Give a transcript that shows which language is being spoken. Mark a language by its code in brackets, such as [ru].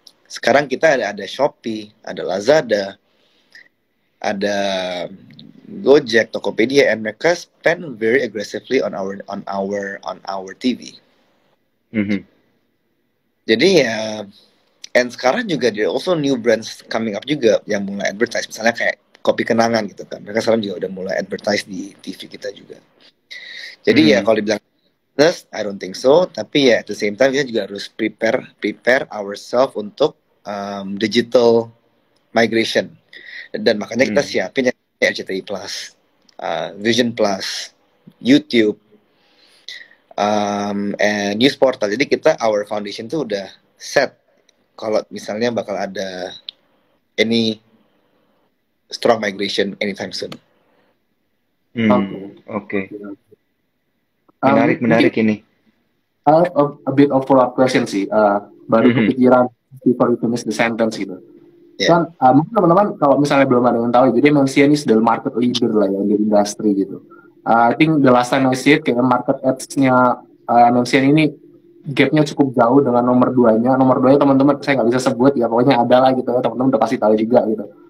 [id] Sekarang kita ada Shopee, ada Lazada, ada Gojek, Tokopedia, [en] and mereka spend very aggressively on our TV. [id] Mm-hmm. Jadi ya, and sekarang juga [en] there also new brands coming up [id] juga yang mulai advertise, misalnya kayak Kopi Kenangan gitu kan. Mereka sekarang juga udah mulai advertise di TV kita juga. Jadi ya kalau dibilang business, [en] I don't think so. [id] Tapi ya [en] at the same time [id] kita juga harus [en] prepare ourselves [id] untuk [en] digital migration. [id] Dan makanya kita siapin ya RCTI Plus. Vision Plus, YouTube, and news portal. Jadi kita [en] our foundation [id] tuh udah set. Kalau misalnya bakal ada [en] any strong migration anytime soon. [id] Oke. Okay. Menarik, menarik ini. [en] A bit of follow up question sih. [id] Baru kepikiran [en] before you finish the sentence [id] gitu. Kan, mungkin teman-teman kalau misalnya belum ada yang tahu, jadi Mensia ini sudah market leader lah ya di industri gitu. [en] I think the last time I see it, [id] kayak market ads-nya Mensia ini gap-nya cukup jauh dengan nomor 2-nya. Nomor 2-nya teman-teman saya nggak bisa sebut, ya pokoknya ada lah gitu, teman-teman udah pasti tahu juga gitu.